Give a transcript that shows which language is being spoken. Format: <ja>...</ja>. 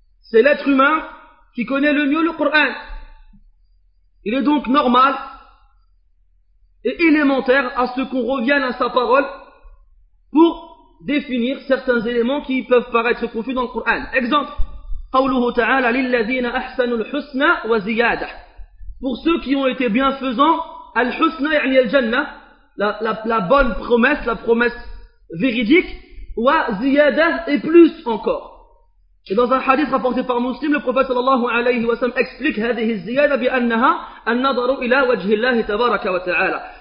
<fr>C'est l'être humain qui connaît le mieux le Coran. Il est donc normal et élémentaire à ce qu'on revienne à sa parole pour définir certains éléments qui peuvent paraître confus dans le Coran.</fr> <ar>Exemple, قوله تعالى للذين أحسنوا الحسنى وزيادة.</ar> <fr>Pour ceux qui ont été bienfaisants,</fr> <ar>الحسنى يعني الجنة,</ar> <fr>la bonne promesse, la promesse véridique, وزيادة, et plus encore. Et dans un hadith rapporté par Muslim, le prophète</fr> <ar>sallallahu alayhi wa sallam</ar> <fr>explique</fr> <ar>هذه الزيادة بأنها النظر إلى وجه الله تبارك وتعالى.</ar>